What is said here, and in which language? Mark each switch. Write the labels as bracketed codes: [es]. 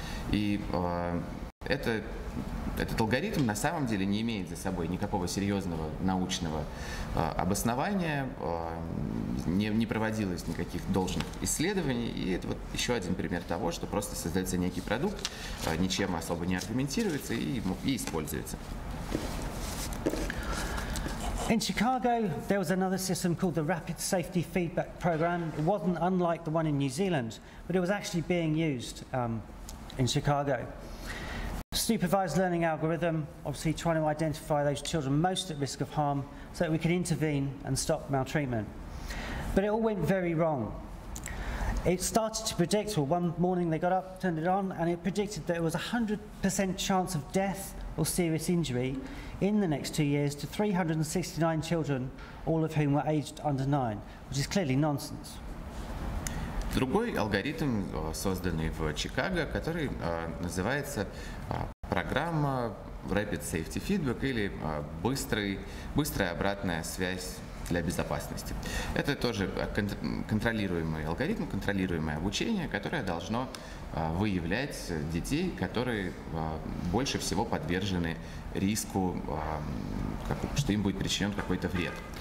[ru] И этот алгоритм на самом деле не имеет за собой никакого серьезного научного обоснования, не проводилось никаких должных исследований, и это вот еще один пример того, что просто создается некий продукт, ничем особо не аргументируется и используется. [en] In Chicago there was another system called the Rapid Safety Feedback Program. It wasn't unlike the one in New Zealand, but it was actually being used in Chicago. Supervised learning algorithm, obviously trying to identify those children most at risk of harm so that we can intervene and stop maltreatment. But it all went very wrong. It started to predict, well, one morning they got up, turned it on, and it predicted that there was 100% chance of death or serious injury in the next 2 years to 369 children, all of whom were aged under 9, which is clearly nonsense. [ru] Другой алгоритм, созданный в Чикаго, который называется программа Rapid Safety Feedback или быстрая обратная связь для безопасности. Это тоже контролируемый алгоритм, контролируемое обучение, которое должно выявлять детей, которые больше всего подвержены риску, что им будет причинен какой-то вред.